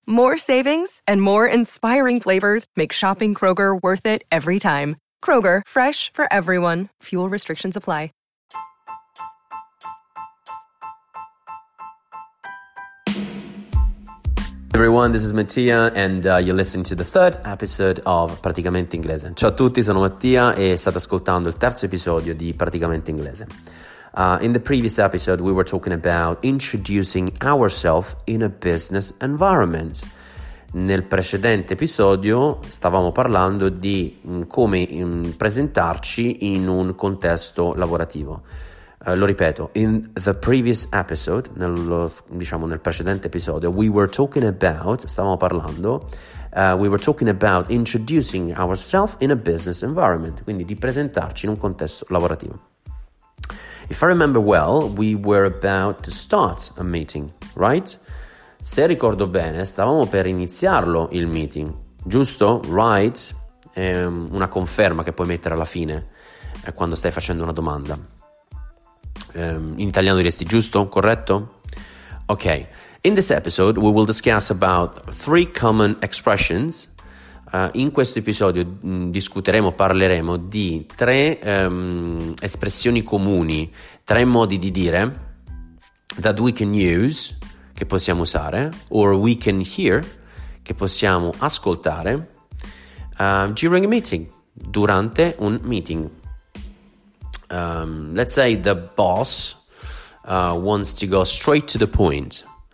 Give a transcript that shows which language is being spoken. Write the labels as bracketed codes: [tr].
[en] More savings and more inspiring flavors make shopping Kroger worth it every time. Kroger, fresh for everyone. Fuel restrictions apply. Everyone, this is Mattia and you're listening to the third episode of Praticamente Inglese. [it] Ciao a tutti, sono Mattia e state ascoltando il terzo episodio di Praticamente Inglese. [en] In the previous episode, we were talking about introducing ourselves in a business environment. [it] Nel precedente episodio stavamo parlando di come presentarci in un contesto lavorativo. Lo ripeto, [en] in the previous episode, [it] nel precedente episodio, [en] we were talking about introducing ourselves in a business environment, [it] quindi di presentarci in un contesto lavorativo. [en] If I remember well, we were about to start a meeting, right? [it] Se ricordo bene, stavamo per iniziarlo il meeting, giusto? [en] Right? [it] È una conferma che puoi mettere alla fine quando stai facendo una domanda. In italiano diresti giusto, corretto? [en] Ok, in this episode we will discuss about three common expressions. [it] In questo episodio parleremo di tre espressioni comuni, tre modi di dire [en] that we can use, [it] che possiamo usare, [en] or we can hear, [it] che possiamo ascoltare, [en] during a meeting, [it] durante un meeting. [en] Let's say the boss wants to go straight to the point.